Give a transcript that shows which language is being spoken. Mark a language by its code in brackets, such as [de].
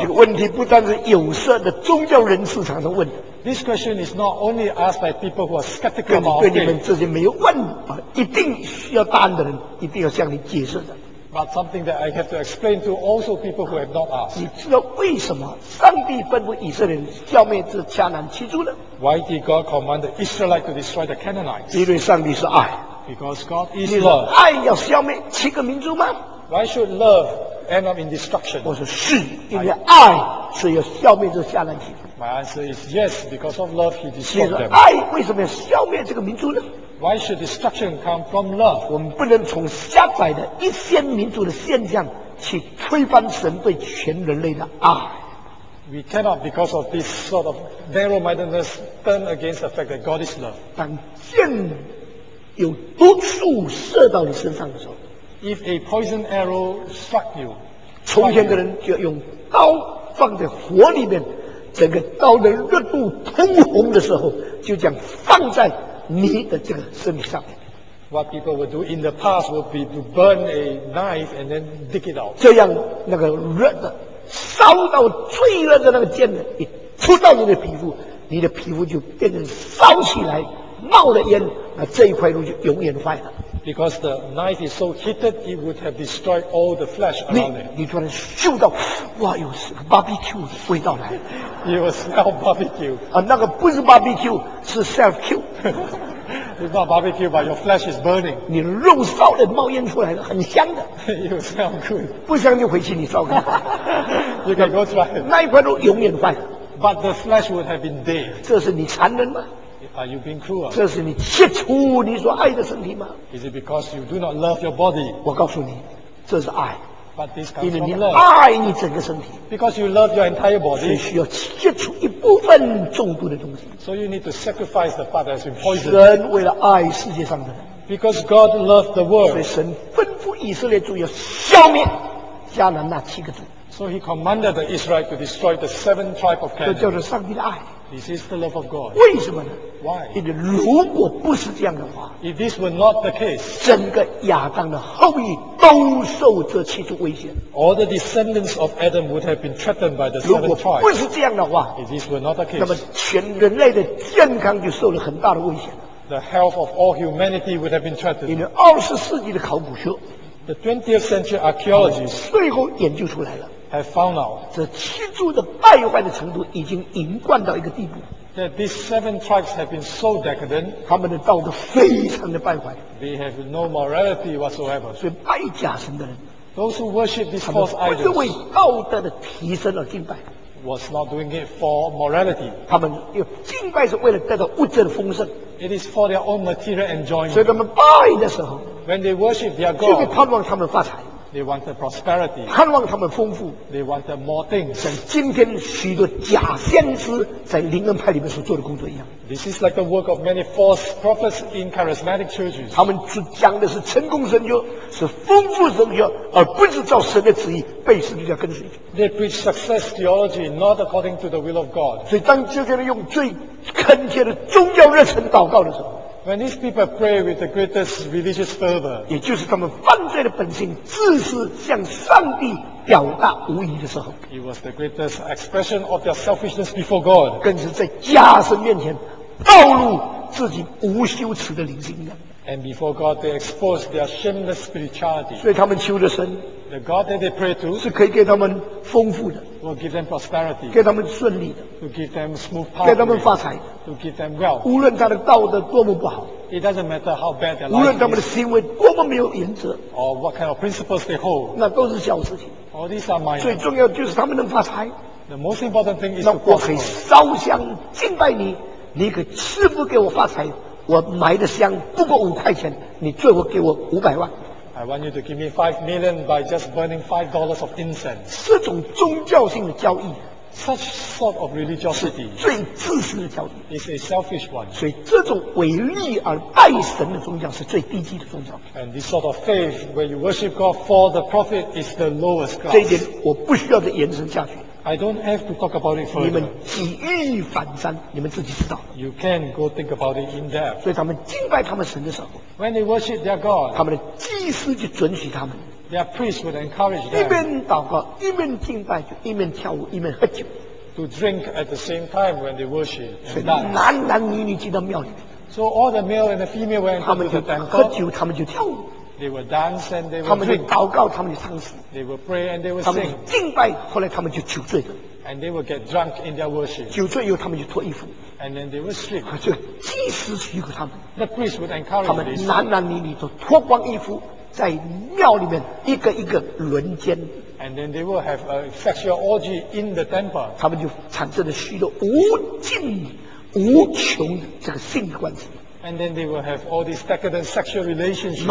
[zh] 这个问题不单是有色的宗教人士常常问。 [en] This question is not only asked by people who are skeptical about faith. [zh] 对你们这些没有问啊，一定需要答案的人，一定要向你解释的。 [en] But something that I have to explain to also people who have not asked. [zh] 你知道为什么上帝吩咐以色列人消灭这迦南七族呢？ [en] Why did God command the Israelites to destroy the Canaanites? [zh] 因为上帝是爱。 [en] Because God is love. [zh] 你说爱要消灭七个民族吗？ [en] Why should love end up in destruction? [zh] 我说是，因为爱是要消灭这迦南七族。 [en] My answer is yes, because of love he destroyed them. [zh] 你说爱为什么要消灭这个民族呢？ [en] Why should destruction come from love? [zh] 我们不能从狭窄的一些民族的现象去推翻神对全人类的爱。 [en] We cannot, because of this sort of narrow-mindedness, turn against the fact that God is love. [zh] 当箭有毒素射到你身上的时候， [en] If a poison arrow struck you, [zh] 从前的人就要用刀放在火里面，整个刀的热度通红的时候，就这样放在你的这个身体上。 [en] What people would do in the past would be to burn a knife and then dig it out. [zh] 这样那个热的烧到最热的那个箭呢，一出到你的皮肤，你的皮肤就变成烧起来冒了烟，那这一块肉就永远坏了。 [en] Because the knife is so heated, it would have destroyed all the flesh around it. [zh] 你突然嗅到，哇，有 barbecue 的味道来。 [en] You will smell barbecue. [zh] 啊，那个不是 barbecue, 是 self-cue. [en] It's not barbecue, but your flesh is burning. [zh] 你肉烧了，冒烟出来了，很香的。 [en] You smell good. [zh] 不香就回去你烧看。 [en] You can go try it. [zh] 那一块肉永远坏。 [en] But the flesh would have been dead. [zh] 这是你残忍吗？ [en] Are you being cruel? [zh] 这是你切除你所爱的身体吗？ [en] Is it because you do not love your body? [zh] 我告诉你，这是爱。 [en] But this comes from love. [zh] 因为你爱你整个身体。 [en] Because you love your entire body. [zh] 所以需要切除一部分中毒的东西。 [en] So you need to sacrifice the part that has been poisoned. [zh] 神为了爱世界上的人。 [en] Because God loved the world. [zh] 所以神吩咐以色列族要消灭迦南那七个族。 [en] So he commanded the Israelites to destroy the seven tribes of Canaan. [zh] 这就是上帝的爱。 [en] This is the love of God. [zh] 为什么呢？ [en] Why? [zh] 因为如果不是这样的话， [en] If this were not the case, [zh] 整个亚当的后裔都受这七族威胁。 [en] All the descendants of Adam would have been threatened by the seven tribes. [zh] 如果不是这样的话， [en] If this were not the case, [zh] 那么全人类的健康就受了很大的威胁。 [en] The health of all humanity would have been threatened. [zh] 因为二十世纪的考古学， [en] The 20th century archaeologists, [zh] 最后研究出来了。 [en] Have found out, [zh] 这七族的败坏的程度已经淫贯到一个地步。 [en] That these seven tribes have been so decadent, [zh] 他们的道德非常的败坏。 [en] They have no morality whatsoever. [zh] 所以拜假神的人， [en] Those who worship these false idols, [zh] 他们不为道德的提升而敬拜。 [en] Was not doing it for morality. [zh] 他们敬拜是为了得到物质的丰盛。 [en] It is for their own material enjoyment. [zh] 所以他们拜的时候， [en] When they worship their God, [zh] 就盼望他们发财。 [en] They want the prosperity. [zh] 盼望他们丰富。 [en] They want more things. [zh] 像今天许多假先知在灵恩派里面所做的工作一样。 [en] This is like the work of many false prophets in charismatic churches. [zh] 他们只讲的是成功神学，是丰富神学，而不是照神的旨意被神的教跟随。 [en] They preach success theology, not according to the will of God. [zh] 所以当这些人用最恳切的宗教热忱祷告的时候。 [en] When these people pray with the greatest religious fervor, [zh] 也就是他们犯罪的本性，自私向上帝表达无疑的时候， [en] it was the greatest expression of their selfishness before God. [zh] 更是在假神面前暴露自己无羞耻的灵性。 [en] And before God, they exposed their shameless spirituality. [zh] 所以他们求的神， [en] the God that they pray to, [zh] 是可以给他们丰富的。 [en] To give them prosperity, [zh] 给他们顺利的。 [en] To give them smooth power, [zh] 给他们发财的。 [en] To give them wealth, [zh] 无论他的道德多么不好。 [en] It doesn't matter how bad their life is. [zh] 无论他们的行为多么没有原则。 [en] Or what kind of principles they hold. [zh] 那都是小事情。 [en] All these are minor. [zh] 最重要就是他们能发财。 [en] The most important thing is. [zh] 那我可以烧香敬拜你，你可赐福给我发财。我买的香不过五块钱，你最后给我五百万。 [en] I want you to give me $5 million by just burning $5 of incense. [zh] 这种宗教性的交易， [en] such sort of religiosity, [zh] 最自私的交易， [en] is a selfish one. [zh] 所以这种为利而拜神的宗教是最低级的宗教。 [en] And this sort of faith where you worship God for the profit is the lowest class. [zh] 这一点我不需要再延伸下去。 [en] I don't have to talk about it further. [zh] 你们几欲反三，你们自己知道。 [en] You can go think about it in depth. [zh] 所以他们敬拜他们神的时候， [en] When they worship their God, [zh] 他们的祭司就准许他们。 [en] Their priest would encourage them. [zh] 一边祷告，一边敬拜，就一边跳舞，一边喝酒。 [en] To drink at the same time when they worship. [zh] 所以男男女女进到庙里。 [en] So all the male and the female went to the temple. [zh] 他们就喝酒，他们就跳舞。 [en] They were dance and they were drink. [zh] 他们祷告，他们就唱诗。 [en] They were pray and they were sing. [zh] 他们敬拜，后来他们就酒醉了。 [en] And they will get drunk in their worship. [zh] 酒醉以后，他们就脱衣服。 [en] And then they will strip. [zh] 就祭司许可他们。 [en] The priest would encourage them. [zh] 他们男男女女都脱光衣服，在庙里面一个一个轮奸。 [en] And then they will have a sexual orgy in the temple. [zh] 他们就产生了许多无尽无穷的这个性关系。 [en] And then they will have all these decadent sexual relationships.